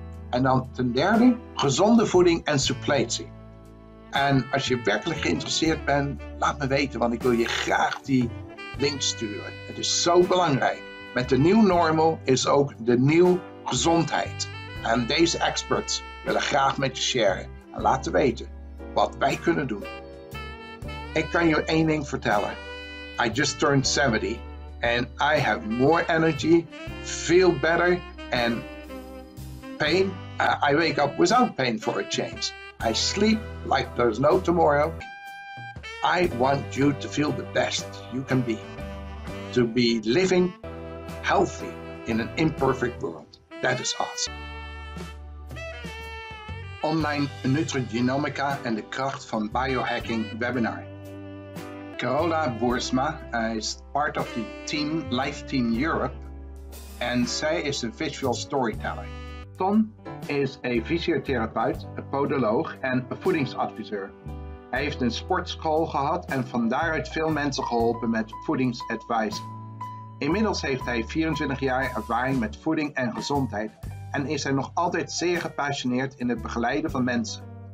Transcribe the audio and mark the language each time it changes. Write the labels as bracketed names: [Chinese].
[Dutch] En dan ten derde, gezonde voeding en suppletie. En als je werkelijk geïnteresseerd bent, laat me weten, want ik wil je graag die link sturen. Het is zo belangrijk. Met de nieuwe normal is ook de nieuwe gezondheid. En deze experts willen graag met je sharen en laten weten wat wij kunnen doen. Ik kan je 1 ding vertellen. [English] I just turned 70 and I have more energy, feel better and pain. I wake up without pain for a change. I sleep like there's no tomorrow. I want you to feel the best you can be. To be living healthy in an imperfect world. That is awesome. [Dutch] Online Nutrigenomica en de kracht van biohacking webinar. [English] Carola Boersma is part of the team Life Team Europe. [Dutch] En zij is een visual storyteller. Ton is een fysiotherapeut, een podoloog en een voedingsadviseur. Hij heeft een sportschool gehad en van daaruit veel mensen geholpen met voedingsadvies. Inmiddels heeft hij 24 jaar ervaring met voeding en gezondheid en is hij nog altijd zeer gepassioneerd in het begeleiden van mensen.